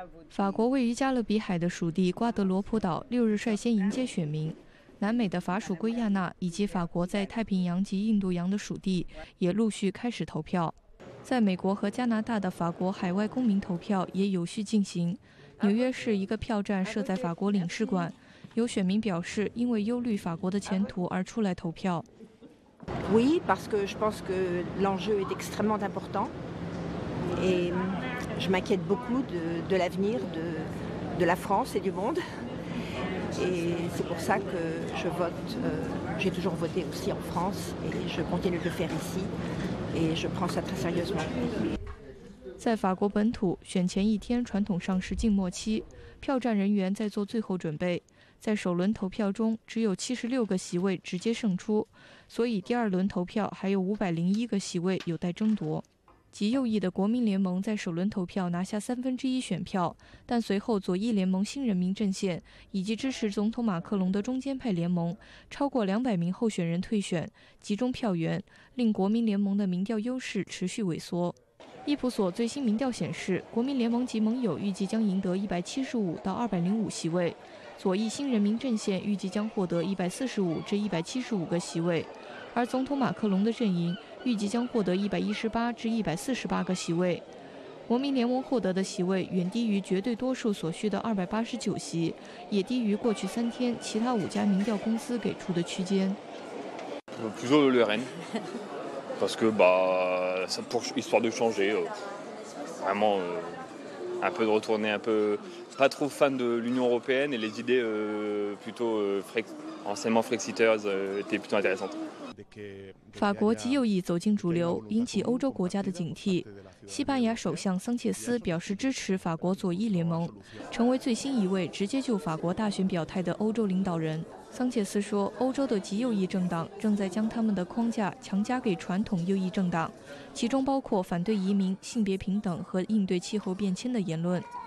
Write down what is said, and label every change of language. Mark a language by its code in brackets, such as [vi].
[zh] 法国位于加勒比海的属地瓜德罗普岛6日率先迎接选民，南美的法属圭亚那以及法国在太平洋及印度洋的属地也陆续开始投票。在美国和加拿大的法国海外公民投票也有序进行，纽约市一个票站设在法国领事馆，有选民表示因为忧虑法国的前途而出来投票。 [fr] Oui, parce que je pense que l'enjeu est extrêmement important. Et je m'inquiète beaucoup de l'avenir de la France et du monde. Et c'est pour ça que je vote. J'ai toujours voté aussi en France et je continue de le faire ici. Et je prends ça très sérieusement. [zh] 在法国本土，选前一天传统上是静默期，票站人员在做最后准备。在首轮投票中，只有76个席位直接胜出，所以第二轮投票还有501个席位有待争夺。极右翼的国民联盟在首轮投票拿下1/3选票，但随后左翼联盟新人民阵线以及支持总统马克龙的中间派联盟超过200名候选人退选，集中票源，令国民联盟的民调优势持续萎缩。伊普索最新民调显示，国民联盟及盟友预计将赢得175到205席位，左翼新人民阵线预计将获得145至175个席位，而总统马克龙的阵营预计将获得118至148个席位。国民联盟获得的席位远低于绝对多数所需的289席，也低于过去3天其他5家民调公司给出的区间。 [fr] Plutôt le RN, parce que ça pour histoire de changer, vraiment un peu de retourner un peu, pas trop fan de l'Union européenne et les idées plutôt anciennement Frexiters étaient plutôt intéressantes. [zh] 法国极右翼走进主流，引起欧洲国家的警惕。西班牙首相桑切斯表示支持法国左翼联盟，成为最新一位直接就法国大选表态的欧洲领导人。桑切斯说，欧洲的极右翼政党正在将他们的框架强加给传统右翼政党，其中包括反对移民、性别平等和应对气候变迁的言论。